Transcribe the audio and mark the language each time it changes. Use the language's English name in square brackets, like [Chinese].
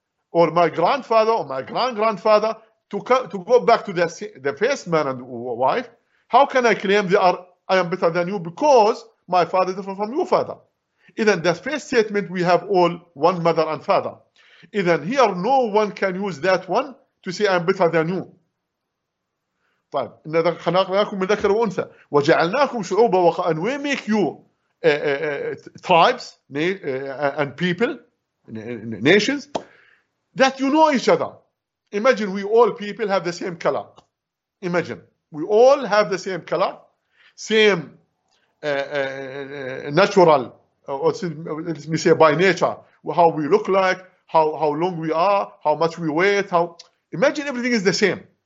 [English] Or my grandfather or my grand-grandfather, to go back to the first man and wife, how can I claim I am better than you because my father is different from your father? Then the first statement, we have all one mother and father. Then here, no one can use that one to say, I am better than you. [Arabic] طيب إن خلقناكم من ذكر وأنثى وجعلناكم شعوبا وقبائل [English] we make you tribes and people nations that you know each other. Imagine we all people have the same color. Imagine we all have the same color, same natural or let me say by nature how we look like, how long we are, how much we weigh. How imagine everything is the same.